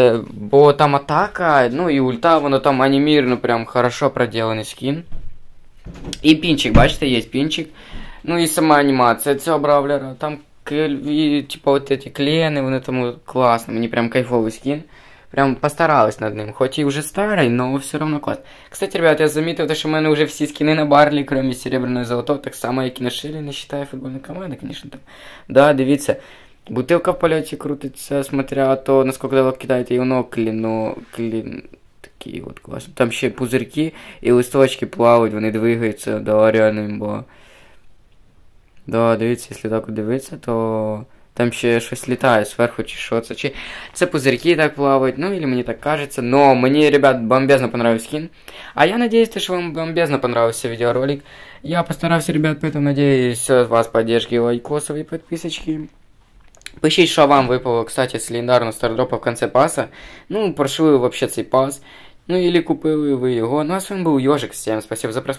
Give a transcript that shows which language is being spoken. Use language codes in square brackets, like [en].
[uk] Бо там атака, ну і ульта, воно там анімірно, прям хорошо проділений скін. І пінчик, бачите, є пінчик. Ну і сама анімація цього бравлера. Там і, типу, от ці клієни, вони там класно, мені прям кайфовий скін. [ru] Прям постаралась над ним, хоть и уже старый, но все равно класс. Кстати, ребят, я заметил, что у меня уже все скины на Барли, кроме серебряного и золотого, так само, как и на Шилле, не считая футбольной команды, конечно. Там. Да, дивиться, бутылка в полете крутится, смотря то, насколько далеко кидает ее нокли, но клин... Такие вот классные. Там еще и пузырьки, и листочки плавают, они двигаются, да, реально имба. Да, дивиться, если так вот дивиться, то... [uk] Там ще щось літає зверху, чи що це, чи це пузирьки так плавають, ну, или мені так кажеться, но мені, ребят, бомбезно понравився скін. А я надіюсь, що вам бомбезно понравився відеоролик. Я постарався, ребят, поэтому надіюсь, от вас поддержки, лайкосов і підписочки. Пишіть, що вам випало, кстати, з легендарного стардропа в конце паса. [ru] Ну, прошли ви вообще цей пас, ну, или купили ви його. Ну, а с вами був Ёжик, всем спасибо за просмотр.